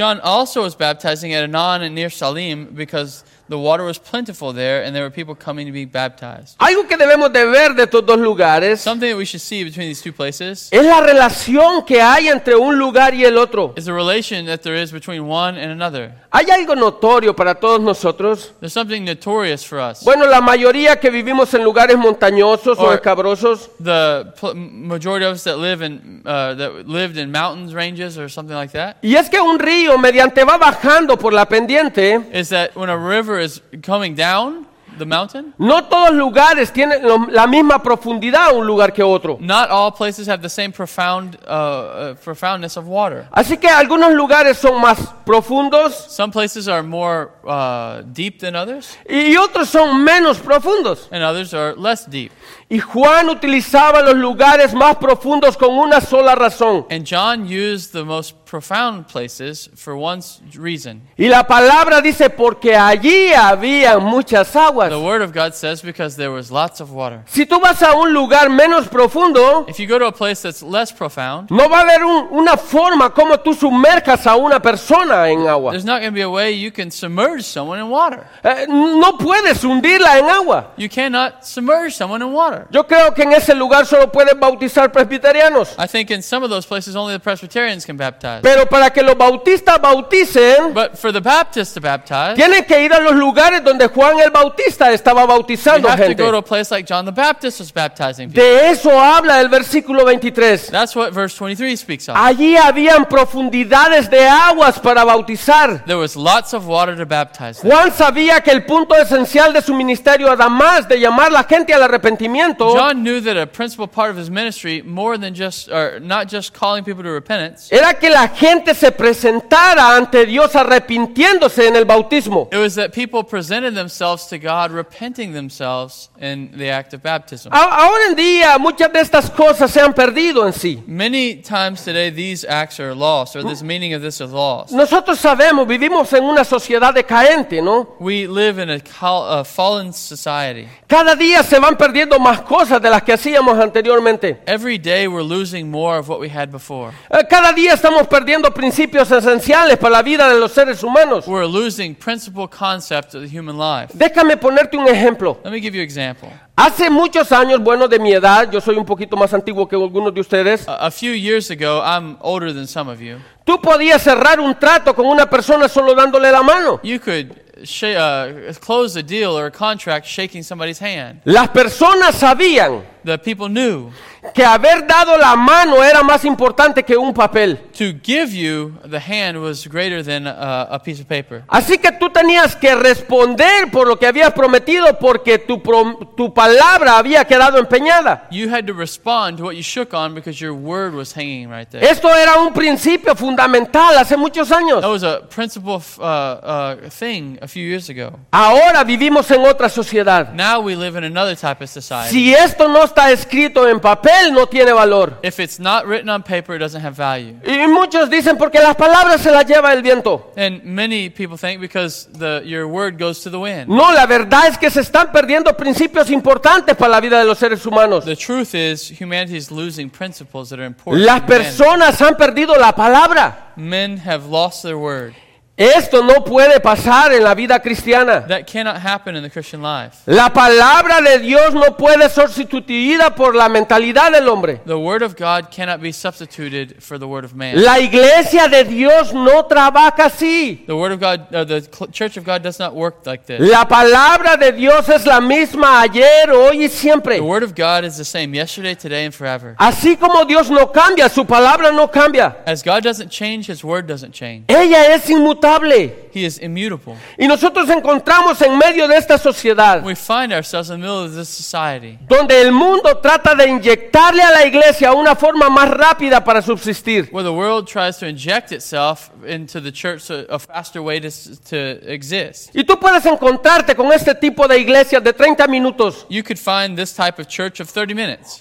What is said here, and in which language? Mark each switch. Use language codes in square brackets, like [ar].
[en] John also was baptizing at Enon and near Salim because the water was plentiful there, and there were people coming to be baptized. [es] Algo que debemos de ver de estos dos lugares, [en] something that we should see between these two places, [es] es la relación que hay entre un lugar y el otro. [en] Is the relation that there is between one and another. [es] Hay algo notorio para todos nosotros. [en] There's something notorious for us. [es] Bueno, la mayoría que vivimos en lugares montañosos o escabrosos, [en] the majority of us that live in that lived in mountains, ranges, or something like that. [es] Y es que un río mediante va bajando por la pendiente. [en] Is that when a river is coming down the mountain? [es] No todos lugares tienen la misma profundidad un lugar que otro. [en] Not all places have the same profoundness of water. [es] Así que algunos lugares son más profundos. [en] Some places are more deep than others. [es] Y otros son menos profundos. [en] And others are less deep. [es] Y Juan utilizaba los lugares más profundos con una sola razón. [en] And John used the most profound places for one reason. [es] Y la palabra dice porque allí había muchas aguas. [en] The word of God says because there was lots of water. [es] Si tú vas a un lugar menos profundo, [en] if you go to a place that's less profound, [es] no va a haber una forma como tú sumerjas a una persona en agua. [en] There's not going to be a way you can submerge someone in water. [es] No puedes hundirla en agua. [en] You cannot submerge someone in water. [es] Yo creo que en ese lugar solo pueden bautizar presbiterianos. [en] I think in some of those places only the Presbyterians can baptize. [es] Pero para que los bautistas bauticen, [en] but for the Baptist to baptize, [es] tienen que ir a los lugares donde Juan el Bautista estaba bautizando gente. [en] You have to go to a place like John the Baptist was baptizing people. [es] De eso habla el versículo 23. [en] That's what verse 23 speaks of. [es] Allí habían profundidades de aguas para bautizar. [en] There was lots of water to baptize. [es] Juan sabía que el punto esencial de su ministerio, además de llamar la gente al arrepentimiento, [en] John knew that a principal part of his ministry, more than just or not just calling people to repentance, [es] era que la gente se presentara ante Dios arrepintiéndose en el bautismo. [en] It was that people presented themselves to God, repenting themselves in the act of baptism. [es] Ahora en día, muchas de estas cosas se han perdido en sí. [en] Many times today, these acts are lost, or this meaning of this is lost. [es] Nosotros sabemos, vivimos en una sociedad decaente, ¿no? [en] We live in a fallen society. [es] Cada día se van perdiendo más más cosas de las que hacíamos anteriormente. [en] Every day we're losing more of what we had before. [es] Cada día estamos perdiendo principios esenciales para la vida de los seres humanos. [en] We're losing principal concepts of the human life. [es] Déjame ponerte un ejemplo. [en] Let me give you an example. [es] Hace muchos años, bueno, de mi edad, yo soy un poquito más antiguo que algunos de ustedes. [en] A few years ago, I'm older than some of you. [es] Tú podías cerrar un trato con una persona solo dándole la mano. [en] You could close a deal or a contract shaking somebody's hand. [es] Las personas sabían. [en] The people knew. [es] Que haber dado la mano era más importante que un papel. [en] To give you the hand was greater than a piece of paper. [es] Así que tú tenías que responder por lo que habías prometido porque tu palabra había quedado empeñada. [en] You had to respond to what you shook on because your word was hanging right there. [es] Esto era un principio fundamental hace muchos años. [en] That was a principal thing a few years ago. [es] Ahora vivimos en otra sociedad. [en] Now we live in another type of society. [es] Si esto no está escrito en papel, no tiene valor. [en] If it's not written on paper, it doesn't have value. [es] Y muchos dicen porque las palabras se las lleva el viento. [en] And many people think because your word goes to the wind. [es] No, la verdad es que se están perdiendo principios importantes para la vida de los seres humanos. [en] The truth is, humanity is losing principles that are important. [es] Las personas han perdido la palabra. [en] Men have lost their word. [es] Esto no puede pasar en la vida cristiana. [en] That cannot happen in the Christian life. [es] La palabra de Dios no puede ser sustituida por la mentalidad del hombre. [en] The word of God cannot be substituted for the word of man. [es] La iglesia de Dios no trabaja así. [en] The word of God, the church of God does not work like this. [es] La palabra de Dios es la misma ayer, hoy y siempre. [en] The word of God is the same yesterday, today and forever. [es] Así como Dios no cambia, su palabra no cambia. [en] As God doesn't change, his word doesn't change. [es] Ella es inmutable. [en] He is immutable. [es] Y nosotros encontramos en medio de esta sociedad. [en] We find ourselves in the middle of this society. [es] Donde el mundo trata de inyectarle a la iglesia una forma más rápida para subsistir. [en] Where the world tries to inject itself into the church a faster way to exist. [es] Y tú puedes encontrarte con este tipo de iglesia de 30 minutos. [en] You could find this type of church of 30 minutes.